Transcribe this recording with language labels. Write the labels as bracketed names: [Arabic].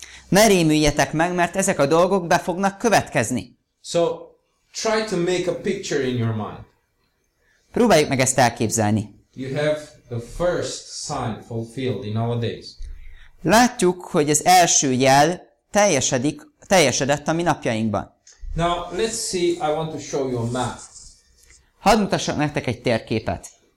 [Hungarian] Ne rémüljetek meg, mert ezek a dolgok be fognak következni. [English] So, try to make a picture in your mind. [Hungarian] Próbáljuk meg ezt elképzelni. [English] You have the first sign fulfilled in our days. [Hungarian] Látjuk, hogy az első jel teljesedett a mi napjainkban. [English] Now, let's see, I want to show you a map. [Hungarian] Hadd mutassak nektek egy térképet.